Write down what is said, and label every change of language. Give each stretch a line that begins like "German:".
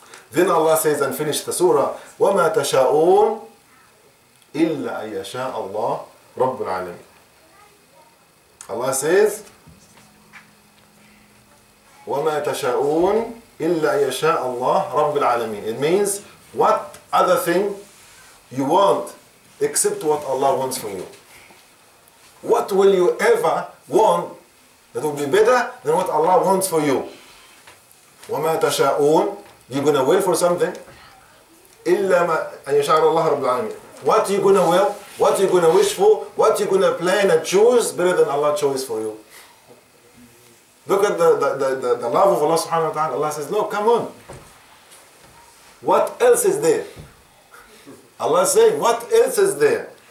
English: Then Allah says and finish the surah,
Arabic: وَمَا تَشَاءُونَ إِلَّا أَن يَشَاءَ اللَّهُ رَبُّ الْعَالَمِينَ
English: Allah says, وَمَا تَشَاءُونَ إِلَّا أَن يَشَاءَ اللَّهُ رَبُّ الْعَالَمِينَ It means, what other thing you want except what Allah wants from you? What will you ever want that will be better than what Allah wants for you?
Arabic: وَمَا تَشَاءُونَ
English: You're going to will for something?
Arabic: إِلَّا مَا أَن يَشَعَرَ اللَّهَ رَبُّ الْعَالَمِينَ
English: What you going to will? What you going to wish for? What you going to plan and choose better than Allah's choice for you? Look at the love of Allah subhanahu wa ta'ala. Allah says, no, come on. What else is there? Allah is saying, what else is there?